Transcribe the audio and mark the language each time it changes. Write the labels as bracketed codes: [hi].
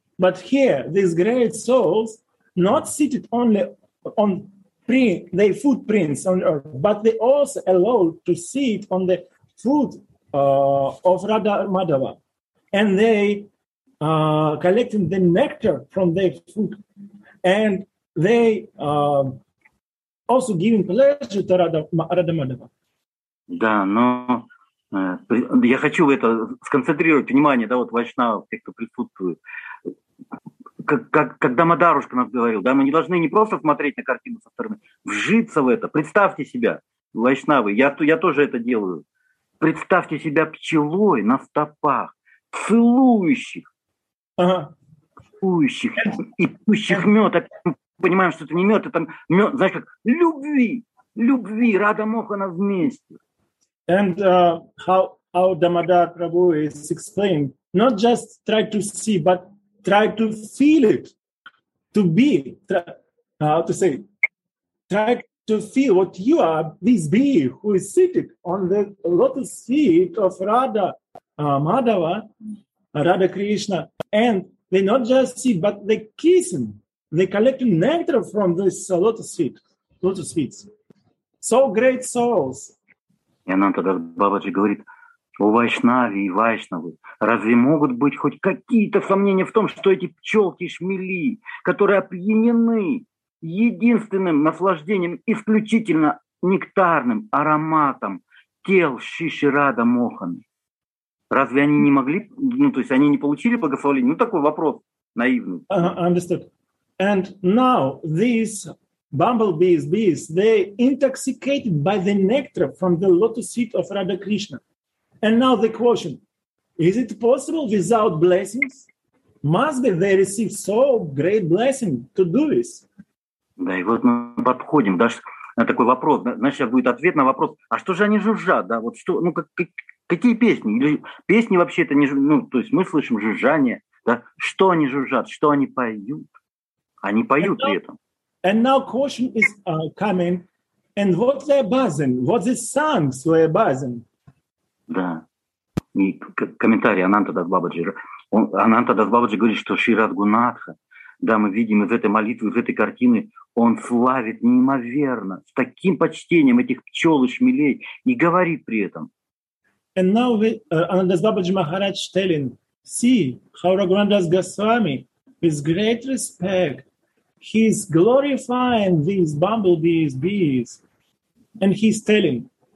[en] But here, these great souls, not seated only on their footprints on earth, but they also allowed to sit on the foot of Radha Madhava. And they collected the nectar from their foot. And they also giving pleasure to Radha Madhava. [ru] Да, но я хочу это сконцентрировать внимание, да, вот вайшнава, тех, кто присутствует. Как Дамодарушка нас говорил, да, мы не должны не просто смотреть на картину со стороны, вжиться в это. Представьте себя, вайшнавы, я тоже это делаю. Представьте себя пчелой на стопах, целующих, ага. Целующих и пьющих мед. Мы понимаем, что это не мед, это мед, знаешь, как любви, Радха Мохана вместе. [en] And how Дамодар Прабху is explained, not just try to see, but try to feel it, to be, try to feel what you are, this being who is seated on the lotus feet of Radha Madhava, Radha Krishna, and they not just see, but they kiss him, they collect nectar from this lotus feet. So great souls. [ru] Ананта Бабаджи говорит, о вайшнаве и вайшнавы, разве могут быть хоть какие-то сомнения в том, что эти пчелки и шмели, которые опьянены единственным наслаждением, исключительно нектарным ароматом тел Шиши Радха Моханы, разве они не могли, ну то есть они не получили благословение? Ну такой вопрос наивный. [en] Understood. And now these bumblebees, bees, they intoxicated by the nectar from the lotus feet of Radha Krishna. And now the question, is it possible without blessings? Must be they receive so great blessing to do this? [ru] Да, и вот мы подходим, да, на такой вопрос, значит, будет ответ на вопрос, а что же они жужжат, да, вот что, ну, какие песни? Или песни вообще это не жужжат, ну, то есть мы слышим жужжание, да, что они жужжат, что они поют? Они поют при этом. [en] And now question is coming, and what they're buzzing, what the songs were buzzing? [ru] Да. И комментарий Ананта Дас Бабаджи говорит, что Шри Радхунатха, да, мы видим из этой молитвы, из этой картины, он славит неимоверно, с таким почтением этих пчел и шмелей, и говорит при этом. [en] And now Ананта Дас Бабаджи Махарадж telling, see how Рагунандас Госвами with great respect he's glorifying these bumblebees, bees, and he's telling.